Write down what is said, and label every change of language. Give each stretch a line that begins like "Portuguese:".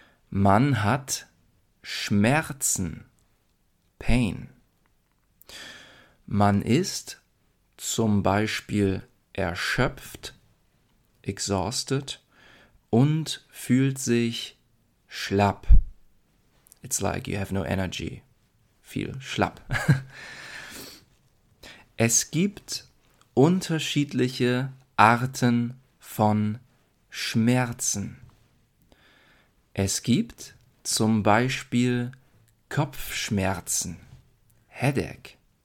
German: Man hat Schmerzen, Pain. Man ist zum Beispiel erschöpft, exhausted, und fühlt sich schlapp.
English: It's like you have no energy. Feel schlapp.
German: Es gibt unterschiedliche Arten von Schmerzen. Es gibt zum Beispiel Kopfschmerzen, Headache.